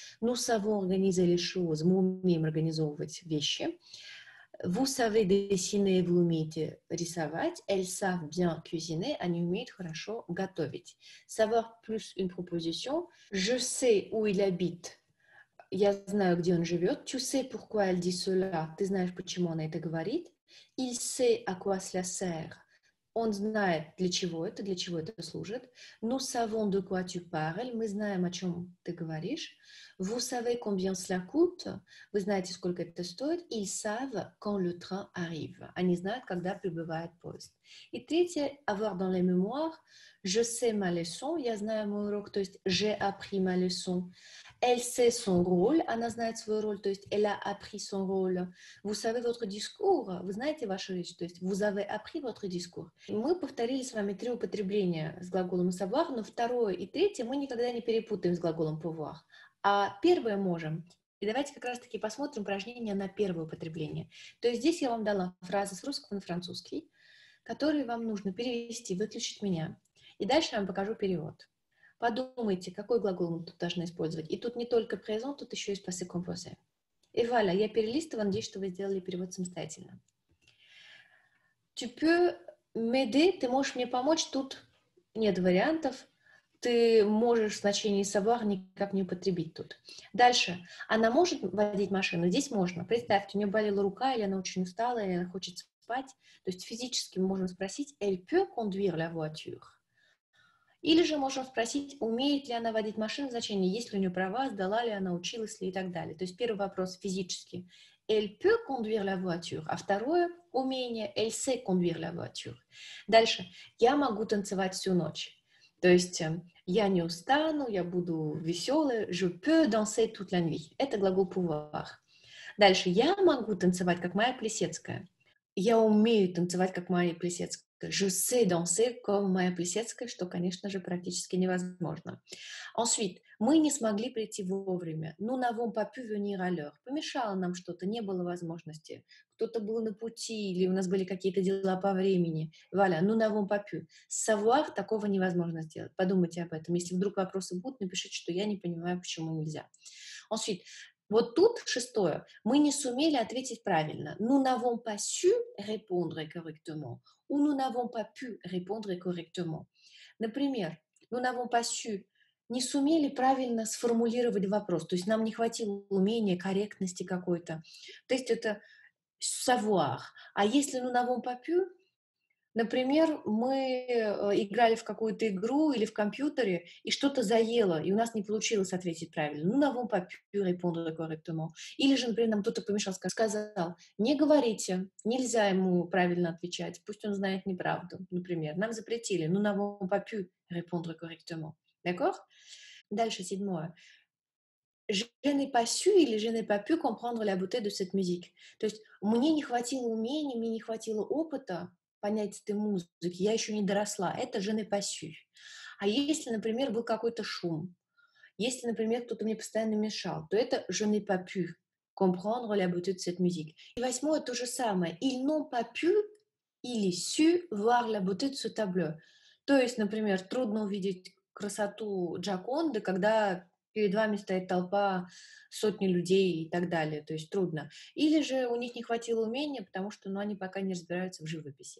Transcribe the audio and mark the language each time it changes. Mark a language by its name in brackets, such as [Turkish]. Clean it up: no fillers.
[French] Nous savons organiser les choses, мы умеем организовывать вещи. Vous savez dessiner, vous умеете рисовать. Elles savent bien cuisiner, они умеют хорошо готовить. Savoir plus une proposition. Je sais où il habite. Я знаю, где он живет. Tu sais pourquoi elle dit cela. [Russian] Ты знаешь, почему она это говорит. [French] Il sait à quoi cela sert. [Russian] Он знает, для чего это служит. Nous savons de quoi tu parles. Мы знаем, о чем ты говоришь. [French] Vous savez combien cela coûte? [Russian] Вы знаете, сколько это стоит? [French] Ils savent quand le train arrive. [Russian] Они знают, когда прибывает поезд. И третье, avoir dans les mémoires. [French] Je sais ma leçon. Я знаю мой урок. [Russian] То есть, j'ai appris ma leçon. [French] Elle sait son rôle. Она знает свой роль. То есть, elle a appris son rôle. Vous savez votre discours. [Russian] Вы знаете вашу речь. То есть, vous avez appris votre discours. Мы повторили с вами три употребления с глаголом savoir, но второе и третье мы никогда не перепутаем с глаголом pouvoir. А первое можем. И давайте как раз-таки посмотрим упражнение на первое употребление. То есть здесь я вам дала фразы с русского на французский, которые вам нужно перевести, выключить меня. И дальше я вам покажу перевод. Подумайте, какой глагол мы тут должны использовать. И тут не только présent, тут еще есть passé composé. И Валя, я перелистываю, надеюсь, что вы сделали перевод самостоятельно. [French] Tu peux m'aider, ты можешь мне помочь, тут нет вариантов. [Russian] Ты можешь в значении savoir никак не употребить тут. Дальше. Она может водить машину? Здесь можно. Представьте, у нее болела рука, или она очень устала, или она хочет спать. То есть физически мы можем спросить, elle peut conduire la voiture? Или же можем спросить, умеет ли она водить машину в значении, есть ли у нее права, сдала ли она, училась ли и так далее. То есть первый вопрос физически. [French] Elle peut conduire la voiture. [Russian] А второе умение. [French] Elle sait conduire la voiture. [Russian] Дальше. Я могу танцевать всю ночь. То есть, я не устану, я буду веселая. [French] Je peux danser toute la nuit. [Russian] Это глагол pouvoir. Дальше. Я могу танцевать, как моя Плисецкая. Я умею танцевать, как моя Плисецкая. Je sais danser comme моя Плисецкая, что, конечно же, практически невозможно. [French] Ensuite. [Russian] Мы не смогли прийти вовремя. [French] Nous n'avons pas pu venir à l'heure. [Russian] Помешало нам что-то, не было возможности. Кто-то был на пути, или у нас были какие-то дела по времени. Валя, nous n'avons pas pu. Savoir такого невозможно сделать. Подумайте об этом. Если вдруг вопросы будут, напишите, что я не понимаю, почему нельзя. Ensuite, вот тут шестое. Мы не сумели ответить правильно. [French] Nous n'avons pas su répondre correctement. Ou nous n'avons pas pu répondre correctement. Например, nous n'avons pas su... [Russian] Не сумели правильно сформулировать вопрос. То есть нам не хватило умения, корректности какой-то. То есть это savoir. А если nous n'avons pas pu, например, мы играли в какую-то игру или в компьютере, и что-то заело, и у нас не получилось ответить правильно. [French] Nous n'avons pas pu répondre correctement. [Russian] Или же, например, нам кто-то помешал, сказал, не говорите, нельзя ему правильно отвечать, пусть он знает неправду, например. Нам запретили. [French] Nous n'avons pas pu répondre correctement. [Russian] D'accord? Дальше, седьмое. [French] Je n'ai pas su или je n'ai pas pu comprendre la beauté de cette musique. [Russian] То есть, мне не хватило умений, мне не хватило опыта понять этой музыки, я еще не доросла. Это je n'ai pas su. А если, например, был какой-то шум, если, например, кто-то мне постоянно мешал, то это je n'ai pas pu comprendre la beauté de cette musique. И восьмое, то же самое. [French] Ils n'ont pas pu или su voir la beauté de ce tableau. [Russian] То есть, например, трудно увидеть красоту Джоконды, когда перед вами стоит толпа сотни людей и так далее, то есть трудно. Или же у них не хватило умения, потому что ну, они пока не разбираются в живописи.